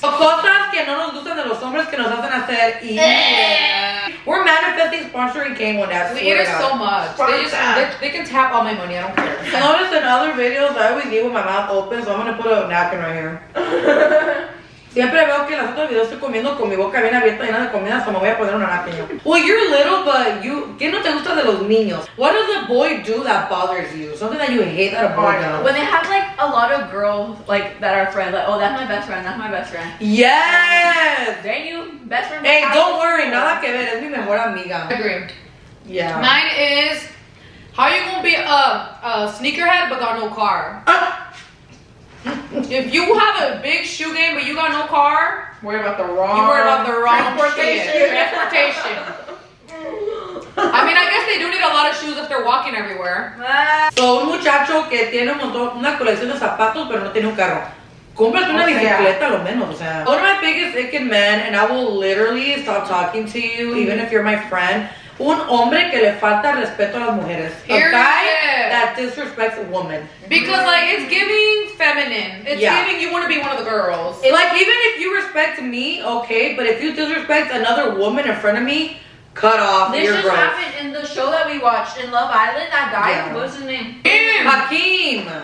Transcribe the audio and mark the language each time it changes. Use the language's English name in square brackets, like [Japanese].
[Spanish] O cosas que no nos gustan de los hombres que nos hacen hacer. Y [English] yeah. We're manifesting sponsoring game one. We eat it so much. They can tap all my money. I don't care. Notice in other videos, I always eat with my mouth open, so I'm gonna put a napkin right here. [Spanish] Siempre veo que en los otros videos estoy comiendo con mi boca bien abierta llena de comida, so me voy a poner una napkin. [English] Well, you're little, but you. [Spanish] ¿Qué no te gusta de los niños? [English] What does a boy do that bothers you? Something that you hate that a boy does. When they have like a lot of girls like that are friends, like, oh, that's my best friend, that's my best friend. Yes! Dang you, best friend. Hey, don't worry, [Spanish] nada que ver, es mi mejor amiga. [English] Agreed. Yeah. Mine is, how you gonna be a sneakerhead but got no car? If you have a big shoe game but you got no car, worry about the wrong. You worry about the wrong transportation. Transportation. I mean, I guess they do need a lot of shoes if they're walking everywhere. [Spanish] So, un muchacho que tiene un montón, una colección de zapatos pero no tiene un carro. Cómprate una bicicleta, lo menos. O sea. [English] One of my biggest icking men, and I will literally stop talking to you even if you're my friend. [Spanish] Un hombre que le falta respeto a las mujeres. [English] Period. A guy that disrespects a woman. Because like it's giving feminine. It's giving you want to be one of the girls. It, like even if you respect me, okay, but if you disrespect another woman in front of me, cut off this your growth. This just happened in the show that we watched in Love Island. That guy, what's his name? Hakeem.